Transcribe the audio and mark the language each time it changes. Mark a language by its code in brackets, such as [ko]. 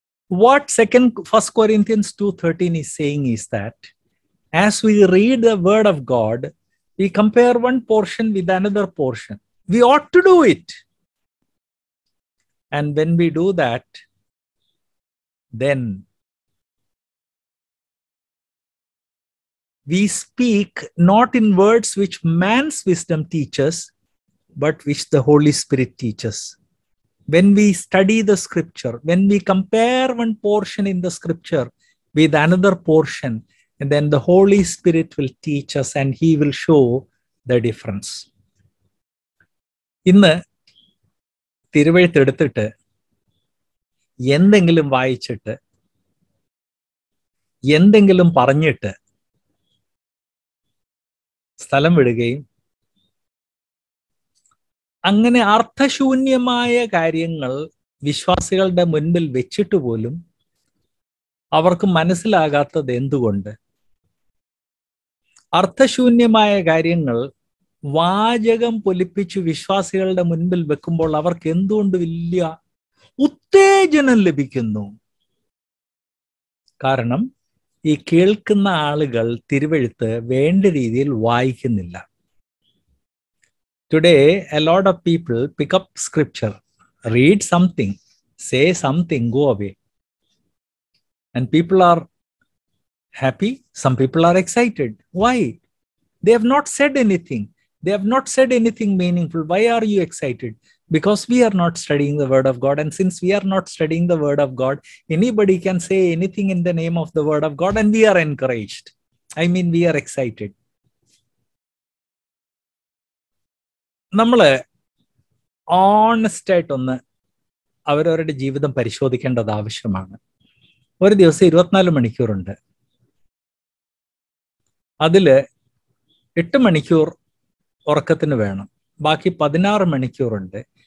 [en] What second first Corinthians 2:13 is saying is that as we read the word of God we compare one portion with another portion, we ought to do it, and when we do that then we speak not in words which man's wisdom teaches but which the Holy Spirit teaches. When we study the scripture, when we compare one portion in the scripture with another portion, and then the Holy Spirit will teach us and he will show the difference. [ml] ഇന്ന് തിരുവെഴുത്ത് എടുത്തിട്ട് എന്തെങ്കിലും വായിച്ചിട്ട് എന്തെങ്കിലും പറഞ്ഞിട്ട് സ്ഥലം വിടുകയും അങ്ങനെ അർത്ഥശൂന്യമായ കാര്യങ്ങൾ വിശ്വാസികളുടെ മുൻപിൽ വെച്ചിട്ട് പോലും അവർക്ക് മനസ്സിലാകാത്തത് എന്തുകൊണ്ട്? അർത്ഥശൂന്യമായ കാര്യങ്ങൾ വാചകം പൊലിപ്പിച്ച് വിശ്വാസികളുടെ മുൻപിൽ വെക്കുമ്പോൾ അവർക്ക് എന്തുകൊണ്ട് വലിയ ഉത്തേജനം ലഭിക്കുന്നു? കാരണം ഈ കേൾക്കുന്ന ആളുകൾ തിരുവെഴുത്ത് വേണ്ട രീതിയിൽ വായിക്കുന്നില്ല. [en] Today, a lot of people pick up scripture, read something, say something, go away. And people are happy, some people are excited. Why? They have not said anything. They have not said anything meaningful. Why are you excited? Because we are not studying the word of God. And since we are not studying the word of God, anybody can say anything in the name of the word of God and we are encouraged. I mean, we are excited. [ml] നമ്മൾ ഓണസ്റ്റായിട്ടൊന്ന് അവരവരുടെ ജീവിതം പരിശോധിക്കേണ്ടത് ആവശ്യമാണ്. ഒരു ദിവസം 24 മണിക്കൂറുണ്ട്. അതിൽ 8 മണിക്കൂർ ഉറക്കത്തിന് വേണം, ബാക്കി 16 മണിക്കൂറുണ്ട്.